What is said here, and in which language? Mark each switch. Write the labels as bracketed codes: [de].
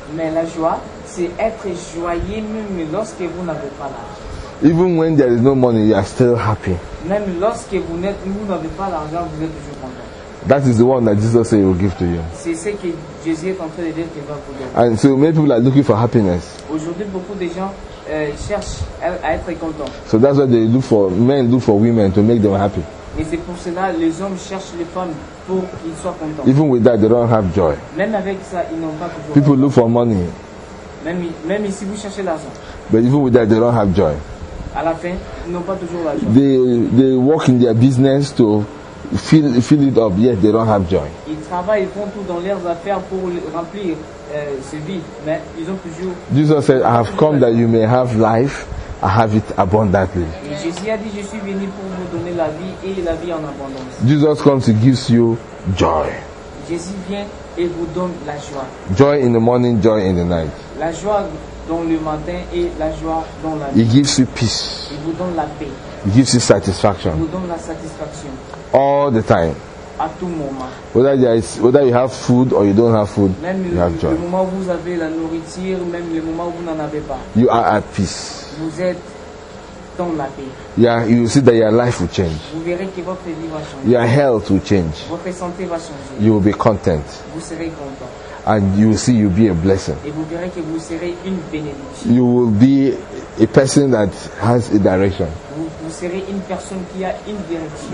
[fr] Mais la joie, c'est être joyeux même lorsque vous n'avez pas l'argent. [en] Even when there is no money, you are still happy. [fr] Même lorsque vous n'êtes, vous n'avez pas l'argent, vous êtes toujours content. [en] That is the one that Jesus said he will give to you. [fr] C'est ce que Jésus est en train de dire qu'il va vous donner. [en] And so many people are looking for happiness. [fr] Aujourd'hui, beaucoup de gens cherchent à être contents. [en] So that's why they look for men, look for women to make them happy. [fr] Et c'est pour cela les hommes cherchent les femmes pour qu'ils soient contents. [en] Even with that, they don't have joy. [fr] Même avec ça, ils n'ont pas toujours. [en] People look for money. [fr] Même ici, vous cherchez l'argent. [en] But even with that, they don't have joy. [fr] À la fin, ils n'ont pas toujours la joie. [en] They work in their business to fill it up, yet they don't have joy. [fr] Ils travaillent, ils font tout dans leurs affaires pour remplir ce vide, mais ils ont toujours. [en] Jesus said, "I have come that you may have life. I have it abundantly." [fr] Jésus a dit, "Je suis venu pour vous donner la vie et la vie en abondance." [en] Jesus comes, he gives you joy. [fr] Jésus vient et vous donne la joie. [en] Joy in the morning, joy in the night. [fr] La joie dans le matin et la joie dans la nuit. [en] He gives you peace. [fr] Il vous donne la paix. [en] He gives you satisfaction. [fr] Il vous donne la satisfaction. [en] All the time. [fr] À tout moment. [en] Whether you have food or you don't have food, [fr] même [en] you have joy. [fr] Le moment où vous avez la nourriture, même le moment où vous n'en avez pas. [en] You are at peace. [fr] Vous êtes dans la paix. [en] Yeah, you see that your life will change. [fr] Vous verrez que votre vie va changer. [en] Your health will change. [fr] Votre santé va changer. [en] You will be content. [fr] Vous serez content. [en] And you will see you'll be a blessing. [fr] Et vous verrez que vous serez une bénédiction. [en] You will be a person that has a direction. [fr] Vous serez une personne qui a une direction.